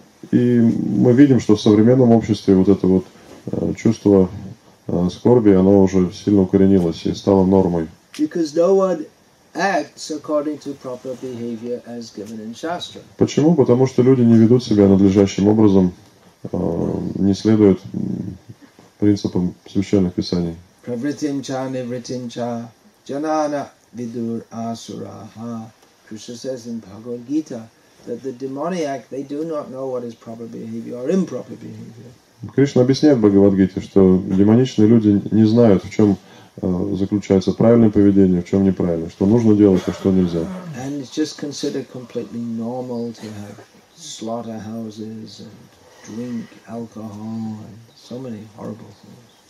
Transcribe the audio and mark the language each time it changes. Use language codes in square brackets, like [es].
[ru] И мы видим, что в современном обществе вот это вот чувство скорби, оно уже сильно укоренилось и стало нормой. [en] Because no one acts according to proper behavior as given in Shastra. [ru] Почему? Потому что люди не ведут себя надлежащим образом, не следуют принципам священных писаний. [sa] Pravritin cha nivritin cha janana vidur asuraha. [en] Krishna says in Bhagavad Gita that the demoniac, they do not know what is proper behavior or improper behavior. [ru] Кришна объясняет в Бхагавадгите, что демоничные люди не знают, в чем заключается правильное поведение, в чем неправильное, что нужно делать, а что нельзя. [en] And it's just considered completely normal to have slaughterhouses and drink alcohol and so many horrible things.